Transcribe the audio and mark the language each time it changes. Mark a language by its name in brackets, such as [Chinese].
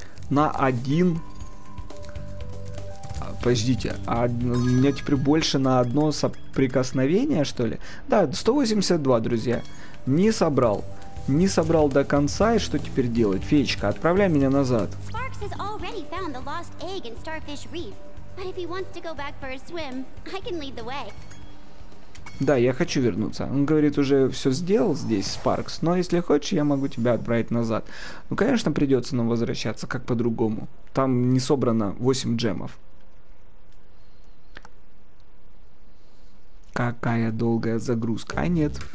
[Russian] На один... Подождите, а у меня теперь больше на одно соприкосновение, что ли? Да, 182, друзья. Не собрал. Не собрал до конца, и что теперь делать? Феечка, отправляй меня назад. [English] Sparks has already found the lost egg in Starfish Reef. But if he wants to go back for a swim, I can lead the way. [Russian] Да, я хочу вернуться. Он говорит, уже все сделал здесь, Спаркс. Но если хочешь, я могу тебя отправить назад. Ну, конечно, придется нам возвращаться, как по-другому. Там не собрано 8 джемов. Какая долгая загрузка. А нет.